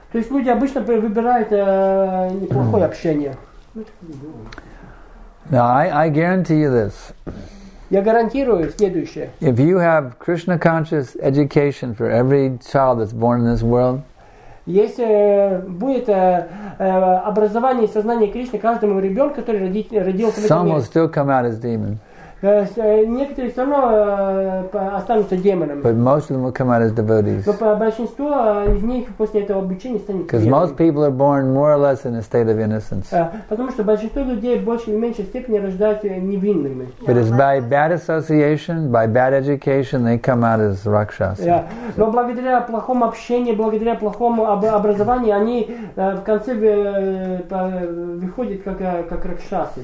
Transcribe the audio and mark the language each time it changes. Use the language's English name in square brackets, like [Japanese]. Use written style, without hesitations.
[Russian] То есть люди обычно выбирают неплохое общение. [English] Now I guarantee you this. [Russian] Я гарантирую следующее. [English] If you have Krishna conscious education for every child that's born in this world. [Russian] Если будет образование и сознание Кришны каждому ребенку, который родился в этом мире. [English] Some will still come out as demons. [Russian] Некоторые все равно останутся демонами. [English] But most of them will come out as devotees. [Russian] Но большинство из них после этого обучения станет преданными. [English] Because most people are born more or less in a state of innocence. [Russian] Потому что большинство людей в большей или меньшей степени рождаются невинными. [English] But it's by bad association, by bad education, they come out as rakshasas. [Russian] Но благодаря плохому общению, благодаря плохому образованию, они в конце выходят как ракшасы.